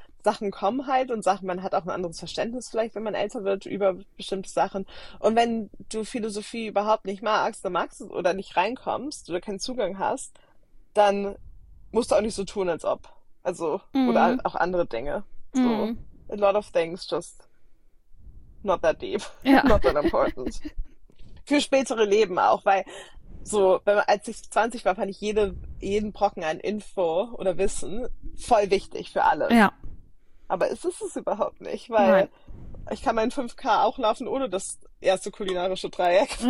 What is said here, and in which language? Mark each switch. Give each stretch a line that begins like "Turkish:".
German: Sachen kommen halt und Sachen, man hat auch ein anderes Verständnis vielleicht, wenn man älter wird, über bestimmte Sachen. Und wenn du Philosophie überhaupt nicht magst, dann magst du oder nicht reinkommst oder keinen Zugang hast, dann musst du auch nicht so tun, als ob. Also, oder auch andere Dinge.
English: So, a lot of things just not that deep, not that important.
German: Für spätere Leben auch, weil so, wenn man, als ich 20 war, fand ich jeden Brocken an Info oder Wissen voll wichtig für alles. Aber es ist es überhaupt nicht, weil Nein. ich kann mein 5K auch laufen ohne das erste kulinarische Dreieck von